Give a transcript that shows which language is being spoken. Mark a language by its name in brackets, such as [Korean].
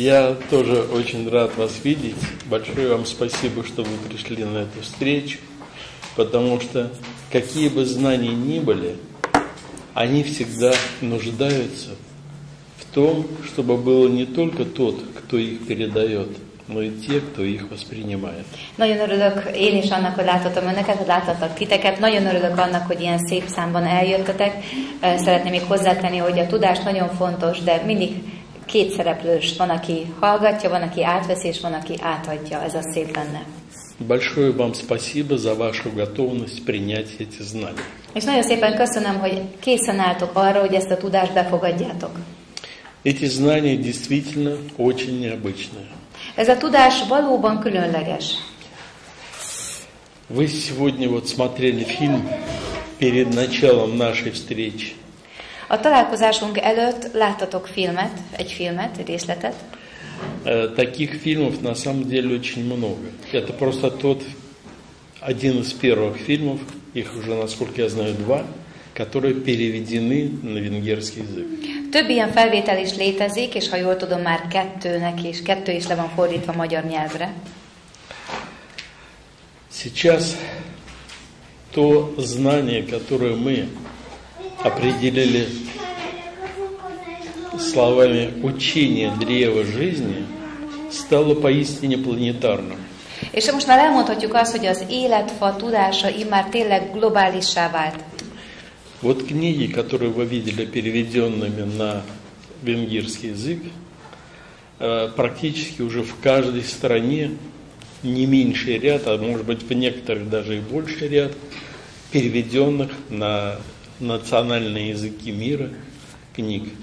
[Russian] Я тоже очень рад вас видеть. Большое вам спасибо, что вы пришли на эту встречу, потому что какие бы знания ни были, они всегда нуждаются в том, чтобы было не только тот, кто их передает, но и те, кто их воспринимает. [Hungarian] Nagyon örülök én is annak, hogy láthatom önöket, hogy láthatok titeket. Nagyon örülök annak, hogy ilyen szép számban eljöttetek. Szeretném még hozzátenni, hogy a tudás nagyon fontos, de mindig két szereplős, van, aki hallgatja, van, aki átveszi, és van, aki átadja. Ez a szép benne. [Russian] Большое вам спасибо за вашу готовность принять эти знания. [Hungarian] És nagyon szépen köszönöm, hogy készen álltok arra, hogy ezt a tudást befogadjátok. [Russian] Эти знания действительно очень необычные. [Hungarian] Ez a tudás valóban különleges. [Russian] Вы сегодня вот смотрели фильм перед началом нашей встречи. [Hungarian] A találkozásunk előtt láttatok filmet, egy filmet, részletet. [Russian] Таких фильмов на самом деле очень много. Это просто тот один из первых фильмов, их уже, насколько я знаю, два, которые переведены на венгерский язык. [Hungarian] Több ilyen felvétel is létezik, és ha jól tudom, már kettőnek is, kettő is le van fordítva magyar nyelvre. [Russian] Сейчас то знание, которое мы определили словами учение древа жизни, стало поистине планетарным. [Hungarian] És most már elmondhatjuk azt, hogy az életfa tudása immár tényleg globálissá vált. [Russian] Вот книги, которые вы видели переведенными на венгерский язык, практически уже в каждой стране не меньший ряд, а может быть в некоторых даже и больше ряд переведенных на национальные языки мира книг.